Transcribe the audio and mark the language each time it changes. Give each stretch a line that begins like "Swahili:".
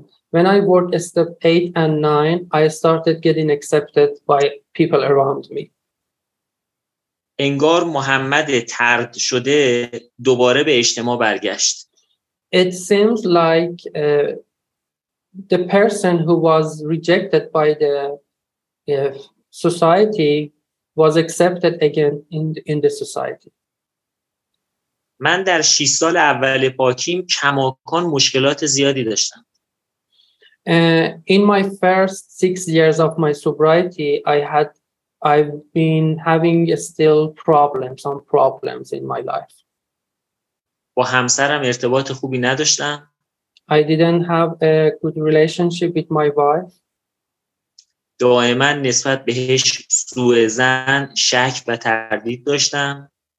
English: When I worked step 8 and 9 I started getting accepted by people around me.
Persian: انگار محمد طرد شده دوباره به اجتماع برگشت.
English: It seems like the person who was rejected by the society was accepted again in the society.
Persian: من در 6 سال اول پاکیم کماکان مشکلات زیادی داشتم.
English: In my first 6 years of my sobriety I've been having still problems in my life.
Persian: با همسرم ارتباط خوبی نداشتم.
English: I didn't have a good relationship with my wife.
Persian: دائما نسبت بهش سوء ظن، شک و تردید داشتم.